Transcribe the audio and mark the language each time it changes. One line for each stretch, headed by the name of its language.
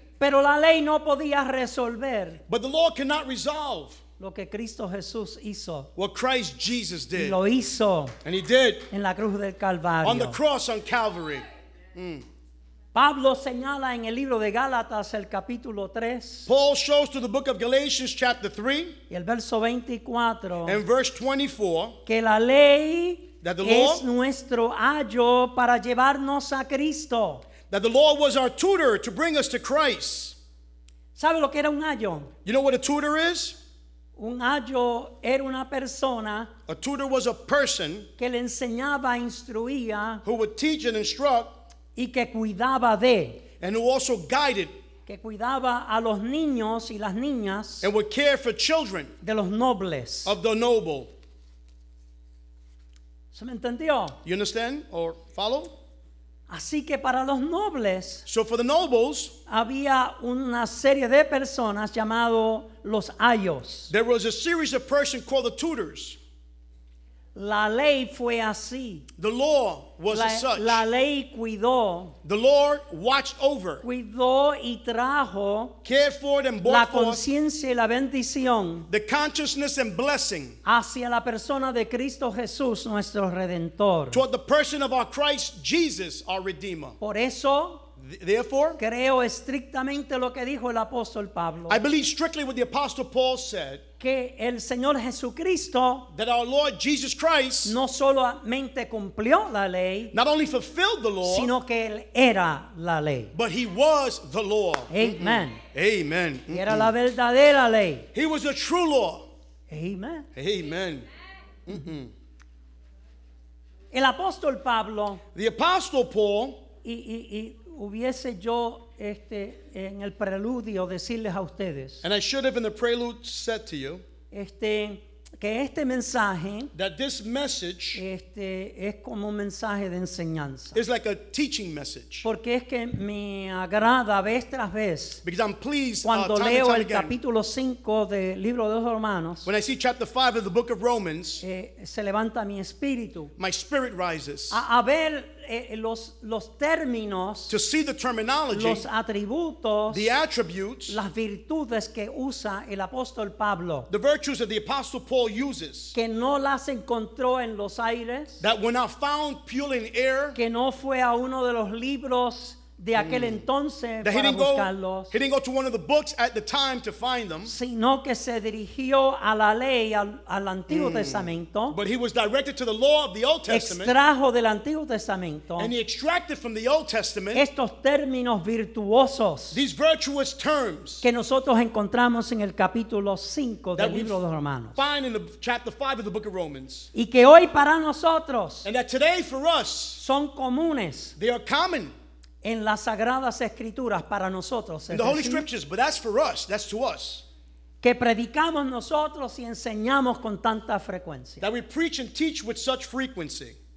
Spanish: Pero la ley no podía resolver,
English: but the law cannot resolve,
Spanish: lo que Cristo Jesús hizo,
English: what Christ Jesus did,
Spanish: y lo hizo,
English: and he did,
Spanish: en la cruz del Calvario,
English: on the cross on Calvary.
Spanish: Pablo señala en el libro de Gálatas el capítulo 3,
English: Paul shows to the book of Galatians chapter 3,
Spanish: y el verso 24,
English: and verse 24,
Spanish: que la ley,
English: that the law,
Spanish: es nuestro ayo para llevarnos a Cristo.
English: That the law was our tutor to bring us to Christ.
Spanish: ¿Sabe lo que era un ayo?
English: You know what a tutor is?
Spanish: Un ayo era una persona,
English: a tutor was a person,
Spanish: que le enseñaba, instruía,
English: who would teach and instruct,
Spanish: y que cuidaba de,
English: and who also guided,
Spanish: que cuidaba a los niños y las niñas,
English: and would care for children,
Spanish: de los nobles,
English: of the noble.
Spanish: ¿Se me entendió?
English: You understand or follow?
Spanish: Así que para los nobles,
English: so for the nobles,
Spanish: había una serie de personas llamado los ayos.
English: There was a series of persons called the tutors.
Spanish: La ley fue así.
English: The law was
Spanish: la,
English: such.
Spanish: La ley cuidó.
English: The Lord watched over.
Spanish: Cuidó y trajo.
English: Cared for it and brought
Spanish: la conciencia y la bendición.
English: The consciousness and blessing.
Spanish: Hacia la persona de Cristo Jesús, nuestro redentor.
English: Toward the person of our Christ Jesus, our Redeemer.
Spanish: Por eso,
English: therefore,
Spanish: creo estrictamente lo que dijo el apóstol Pablo.
English: I believe strictly what the apostle Paul said.
Spanish: Que el Señor Jesucristo,
English: that our Lord Jesus Christ,
Spanish: no solamente cumplió la ley,
English: not only fulfilled the law,
Spanish: sino que él era la ley,
English: but he was the law.
Spanish: Amen.
English: Amen.
Spanish: Y era la verdadera ley.
English: He was the true law.
Spanish: Amen.
English: Amen.
Spanish: El apóstol Pablo,
English: the apostle Paul,
Spanish: y hubiese yo en el preludio decirles a ustedes,
English: and I should have in the prelude said to you,
Spanish: que este mensaje,
English: that this message,
Spanish: es como un mensaje de enseñanza,
English: is like a teaching message,
Spanish: porque es que me agrada vez tras vez,
English: because I'm pleased
Spanish: cuando
English: time
Spanish: leo
English: and time
Spanish: el
English: again,
Spanish: capítulo 5 del libro de los Romanos,
English: when I see chapter 5 of the book of Romans,
Spanish: se levanta mi espíritu,
English: my spirit rises,
Spanish: a ver los términos,
English: to see the terminology,
Spanish: los atributos,
English: the attributes,
Spanish: las virtudes que usa el apóstol Pablo,
English: the virtues that the apostle Paul uses,
Spanish: que no las encontró en los aires,
English: that were not found purely in air,
Spanish: que no fue a uno de los libros de aquel entonces para buscarlos.
English: He didn't go to one of the books at the time to find them.
Spanish: Sino que se dirigió a la ley, al Antiguo Testamento.
English: But he was directed to the law of the Old Testament.
Spanish: Extrajo del Antiguo Testamento.
English: And he extracted from the Old Testament.
Spanish: Estos términos virtuosos.
English: These virtuous terms.
Spanish: Que nosotros encontramos en el capítulo 5 del libro de Romanos.
English: Find in the chapter 5 of the book of Romans.
Spanish: Y que hoy para nosotros.
English: And that today for us.
Spanish: Son comunes.
English: They are common.
Spanish: En las Sagradas Escrituras para nosotros.
English: In the Holy Scriptures, but that's for us, that's to us.
Spanish: Que predicamos nosotros y enseñamos con tanta frecuencia.
English: That we preach and teach with such frequency.